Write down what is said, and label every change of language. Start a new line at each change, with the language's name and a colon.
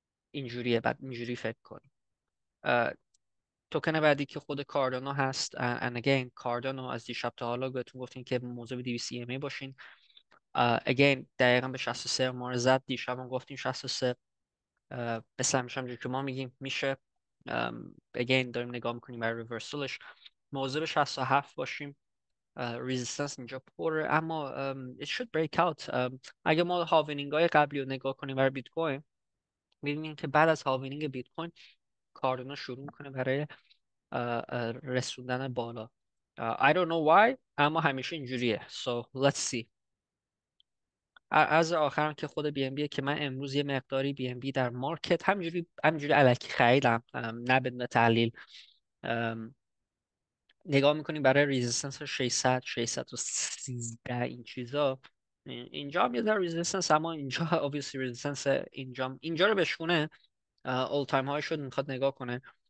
Persian: اینجوریه، بعد اینجوری فکر کنی. توکن بعدی که خود کاردانو هست،
English: and again
Persian: کاردانو از دیشب تا حالا بهتون گفتیم که موضوع DVCMA باشین. Again دقیقا به 63 ما رو زد دیشب، هم گفتیم 63 مثل همیشه همجور که ما میگیم میشه. Again داریم نگاه میکنیم برای ریورسلش، موضوع به 67 باشیم. Resistance اینجا پره اما
English: it should break out.
Persian: اگه ما هاوینینگ های قبلی رو نگاه کنیم برای بیتکوین، میبینیم که بعد از هاوینینگ بیتکوین کاردانو شروع میکنه برای رسوندن بالا.
English: I don't know why
Persian: اما همیشه اینجوریه.
English: So let's see.
Persian: از آخرم که خود بی ام بیه که من امروز یه مقداری بی ام بی در مارکت همینجوری الکی خریدم، نه بدون تحلیل. نگاه میکنیم برای ریزیستنس 600 613 این چیزا، اینجا هم یه ذره ریزیستنس، اما اینجا obviously ریزیستنس اینجا رو بشکونه اول تایم های شد میخواد نگاه کنه.